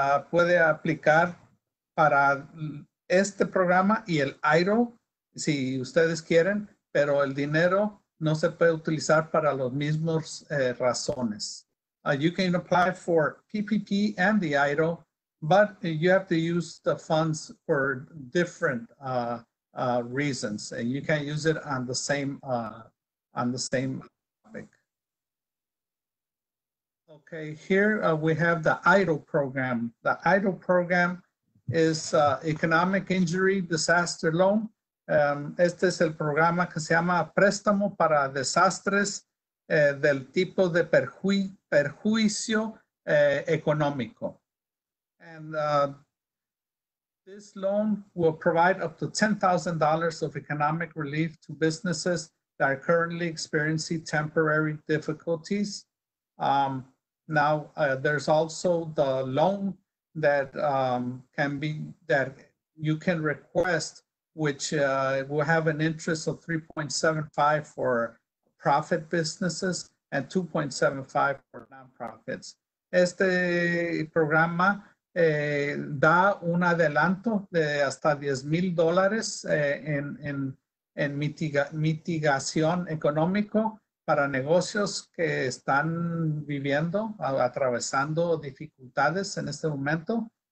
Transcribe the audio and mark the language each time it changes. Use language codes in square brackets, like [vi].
[es] Puede aplicar para este programa y el AIRO, si ustedes quieren, pero el dinero no se puede utilizar para los mismos razones. [en] You can apply for PPP and the AIRO, but you have to use the funds for different reasons, and you can't use it on the same topic. Okay, here we have the AIRO program. The AIRO program is Economic Injury Disaster Loan. [es] Este es el programa que se llama Préstamo para Desastres del Tipo de Perjuicio Económico. [en] And this loan will provide up to $10,000 of economic relief to businesses that are currently experiencing temporary difficulties. Now, there's also the loan that can be, that you can request, which will have an interest of 3.75 for profit businesses and 2.75 for nonprofits. [es] Este programa da un adelanto de hasta $10,000 en mitigación económico para negocios que están viviendo, atravesando dificultades en este momento.